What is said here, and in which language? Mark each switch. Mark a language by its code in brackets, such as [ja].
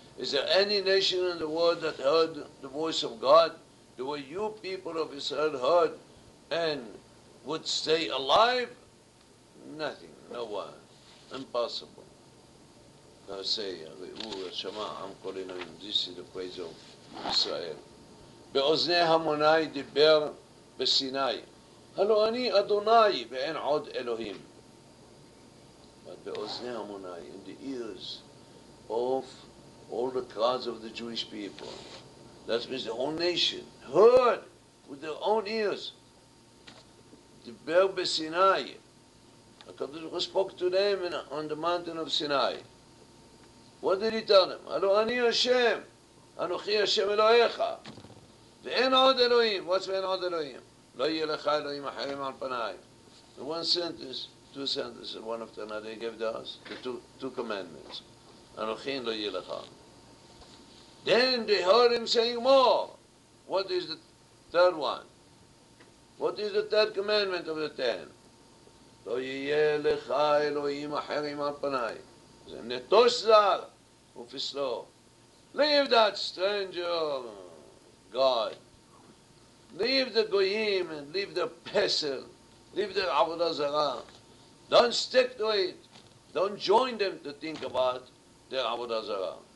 [en] Is there any nation in the world that heard the voice of God the way you people of Israel heard and would stay alive? Nothing, no one. Impossible. I say, [he] Re'u, Hashama'am kol Elohim, [en] this is the praise of Israel. [he] Be'oznei hamonai diber b'sinai. הלו אני אדוני ואין עוד אלוהים. [en] But [he] באוזני המוני, [en] in the ears of all the crowds of the Jewish people, that means the whole nation, heard with their own ears, [he] דיבר בסיני. [en] הקדוש ברוך הוא spoke to them on the mountain of Sinai. What did he tell them? [he] הלו אני השם, אנוכי השם אלוהיך. ואין עוד אלוהים. [en] What's [he] ואין עוד אלוהים? לא יהיה לך אלוהים אחרים על פניי. [en] One sentence, two sentences, one after another, he gave to us the two commandments. [he] אנוכי לא יהיה לך. [en] Then they heard him saying more. What is the third one? What is the third commandment of the ten? [he] לא יהיה לך אלוהים אחרים על פניי. זה נטוש זר ופסלו. [en] Leave that stranger God. Leave the goyim and leave the pesel, leave the avodah zarah. Don't stick to it. Don't join them to think about their avodah zarah.